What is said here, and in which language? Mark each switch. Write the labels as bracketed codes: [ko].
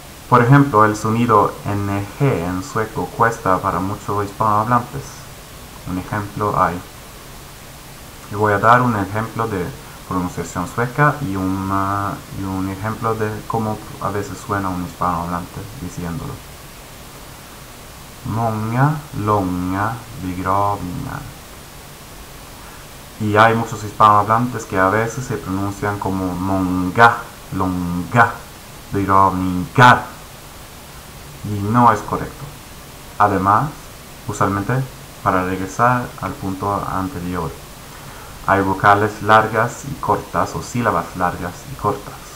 [es] Por ejemplo, el sonido NG en sueco cuesta para muchos hispanohablantes. Un ejemplo hay. Y voy a dar un ejemplo de pronunciación sueca y un ejemplo de cómo a veces suena un hispanohablante diciéndolo. [sv] Många långa begravningar. [es] Y hay muchos hispanohablantes que a veces se pronuncian como [sv] många långa begravningar. [es] Y no es correcto. Además, usualmente, para regresar al punto anterior, hay vocales largas y cortas, o sílabas largas y cortas.